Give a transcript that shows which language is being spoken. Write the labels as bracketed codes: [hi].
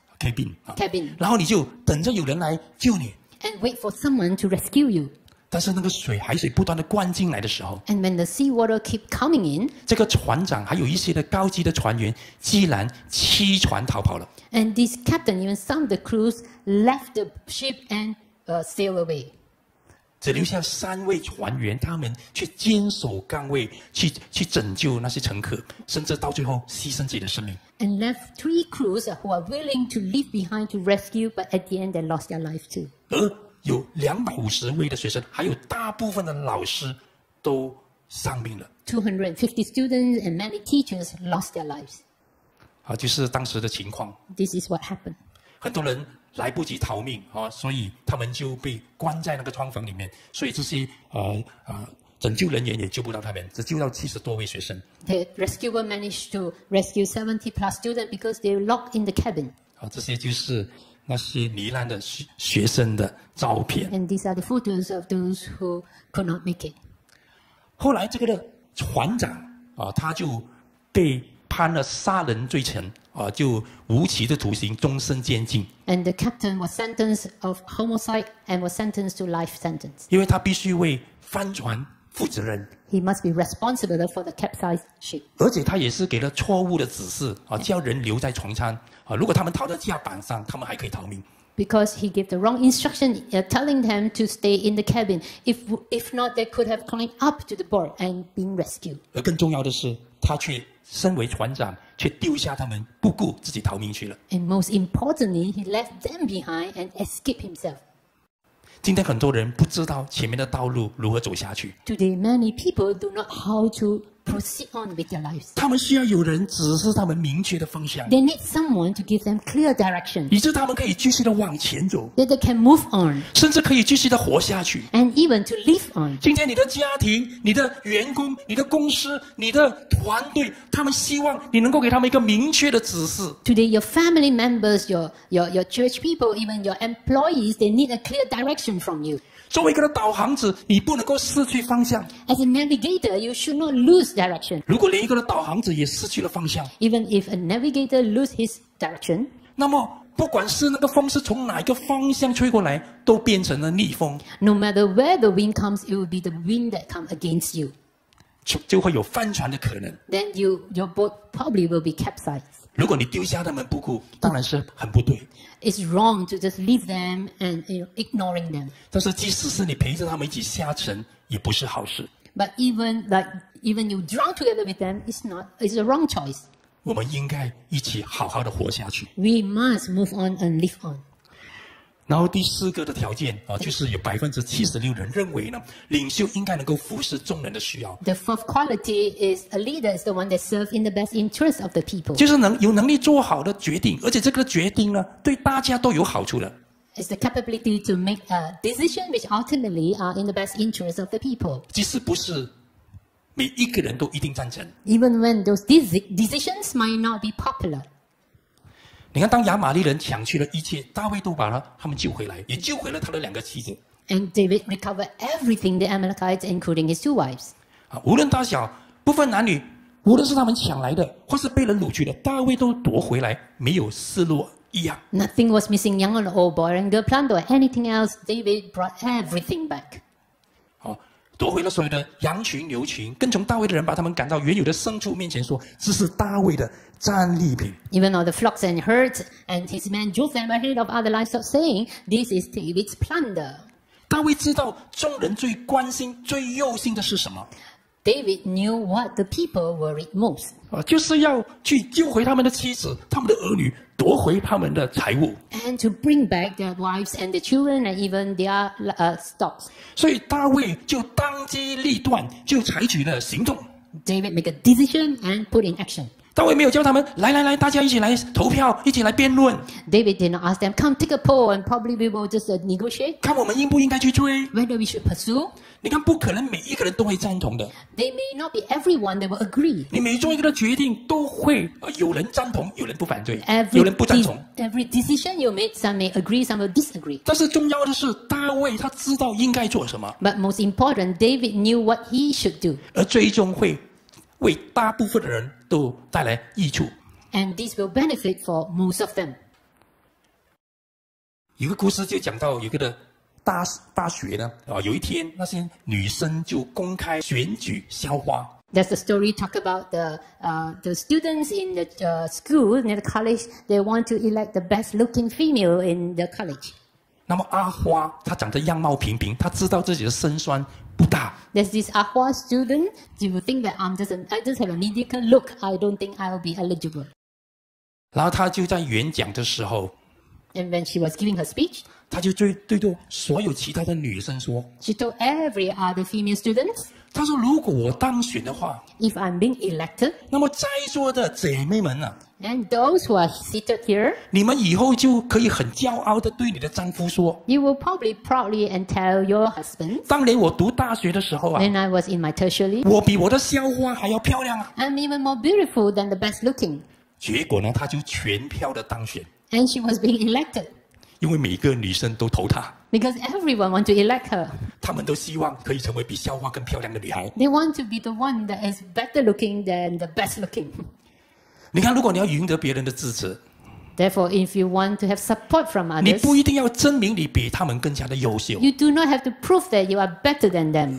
[zh] Cabin， 然后你就等着有人来救你。 [en] And wait for someone to rescue you。 [zh] 但是那个海水不断的灌进来的时候 [en] ，And when the sea water keep coming in， [zh] 这个船长还有一些的高级的船员，竟然弃船逃跑了。 [en] And this captain even some of the crews left the ship and sail away。 [zh] 只留下三位船员，他们去坚守岗位，去拯救那些乘客，甚至到最后牺牲自己的生命。 [en] And left three crews who are willing to leave behind to rescue, but at the end they lost their life too. [zh] 而有250位的学生，还有大部分的老师都丧命了。 [en] 250 students and many teachers lost their lives. [zh] 就是当时的情况。 [en] This is what happened. [zh] 很多人来不及逃命，所以他们就被关在那个窗房里面，所以这些拯救人员也救不到他们，只救到70多位学生。 [en] The rescuer managed to rescue 70 plus students because they were locked in the cabin. [zh] 这些就是那些罹难的学生的照片。 [en] And these are the photos of those who could not make it. [zh] 后来这个的船长他就被判了杀人罪成就无期的徒刑，终身监禁。 [en] And the captain was sentenced of homicide and was sentenced to life sentence. [zh] 因为他必须为翻船负责任。 [en] He must be responsible for the capsized ship. [zh] 而且他也是给了错误的指示，叫人留在船舱。如果他们套在甲板上，他们还可以逃命。 [en] Because he gave the wrong instruction, telling them to stay in the cabin. If not, they could have climbed up to the board and been rescued. [zh] 而更重要的是，他却身为船长，却丢下他们，不顾自己逃命去了。 [en] And most importantly, he left them behind and escaped himself. [zh] 今天很多人不知道前面的道路如何走下去。 [en] Today many people do not know how to proceed on with their lives. [zh] 他们需要有人指示他们明确的方向。 [en] They need someone to give them clear direction. [zh] 以致他们可以继续的往前走。 [en] That they can move on. [zh] 甚至可以继续的活下去。 [en] And even to live on. [zh] 今天你的家庭、你的员工、你的公司、你的团队，他们希望你能够给他们一个明确的指示。 [en] Today your family members, your church people, even your employees, they need a clear direction from you. [zh] 作为一个导航者，你不能够失去方向。 [en] As a navigator, you should not lose direction. [zh] 如果连一个导航者也失去了方向 [en] ，Even if a navigator lose his direction, [zh] 那么不管是那个风是从哪一个方向吹过来，都变成了逆风。 [en] No matter where the wind comes, it will be the wind that comes against you. [zh] 就会有翻船的可能。 [en] Then your boat probably will be capsized. [zh] 如果你丢下他们不顾，当然是很不对。 [en] It's wrong to just leave them and ignoring them. [zh] 但是即使是你陪着他们一起下沉，也不是好事。 [en] But even you drown together with them, it's a wrong choice. [zh] 我们应该一起好好的活下去。 [en] We must move on and live on. [zh] 然后第四个的条件就是有76%人认为呢，领袖应该能够服侍众人的需要。 [en] The fourth quality is a leader is the one that serves in the best interest of the people. [zh] 就是有能力做好的决定，而且这个决定呢，对大家都有好处的。 [en] It's the capability to make a decision which ultimately are in the best interest of the people. [zh] 即使不是每一个人都一定赞成。 [en] Even when those decisions might not be popular. [zh] 你看，当亚玛力人抢去了一切，大卫都把他们救回来，也救回了他的两个妻子。 [en] And David recovered everything the Amalekites, including his two wives. [zh] 无论大小，不分男女，无论是他们抢来的，或是被人掳去的，大卫都夺回来，没有失落一样。 [en] Nothing was missing, young or old, boy and girl, plunder or anything else. David brought everything back. [zh] 夺回了所有的羊群、牛群，跟从大卫的人把他们赶到原有的牲畜面前，说：“这是大卫的。” 战利品。 [en] Even all the flocks and herds and his men drove them ahead of other livestock, saying, "This is David's plunder." [zh] 大卫知道众人最关心、最忧心的是什么。 [en] David knew what the people worried most. [zh] 就是要去救回他们的妻子、他们的儿女，夺回他们的财物。 [en] And to bring back their wives and their children and even their stocks. [zh] 所以大卫就当机立断，就采取了行动。 [en] David made a decision and put in action. [zh] 大卫没有叫他们来来来，大家一起来投票，一起来辩论。 [en] David did not ask them, come take a poll and probably we will just negotiate. [zh] 看我们应不应该去追 [en] ？Whether we should pursue？ [zh] 你看，不可能每一个人都会赞同的。 [en] They may not be everyone that will agree. [zh] 你每做一个的决定，都会有人赞同，有人不反对，有人不赞同。 [en] Every decision you make, some may agree, some will disagree. [zh] 但是重要的是，大卫他知道应该做什么。 [en] But most important, David knew what he should do. [zh] 而最终会。为大部分的人都带来益处。 [en] And this will benefit for most of them. [zh] 有个故事就讲到有个的 大学呢，有一天那些女生就公开选举校花。 [en] There's a story talk about the students in the school, in the college, they want to elect the best looking female in the college. [zh] 那么阿花她长得样貌平平，她知道自己的身酸不大。 [en] There's this Ahua student. Do you think that I just have a mediocre look? I don't think I'll be eligible. [zh] 然后他就在演讲的时候 [en] ，And when she was giving her speech, [zh] 他就对所有其他的女生说 [en] ，She told every other female students. [zh] 他说如果我当选的话 [en] ，If I'm being elected, [zh] 那么在座的姐妹们啊 [en] ，And those who are seated here, [zh] 你们以后就可以很骄傲的对你的丈夫说 [en] ，You will probably proudly and tell your husband. [zh] 当年我读大学的时候啊 [en] ，When I was in my tertiary, [zh] 我比我的校花还要漂亮啊 [en] ，I'm even more beautiful than the best looking. [zh] 结果呢，他就全票的当选 [en] ，And she was being elected. [zh] 因为每个女生都投她 [en] ，because everyone want to elect her。 [zh] 他们都希望可以成为比校花更漂亮的女孩。 [en] They want to be the one that is better looking than the best looking。 [zh] 你看，如果你要赢得别人的支持 [en] Therefore, if you want to have support from others, [zh] 你不一定要证明你比他们更加的优秀。 [en] You do not have to prove that you are better than them.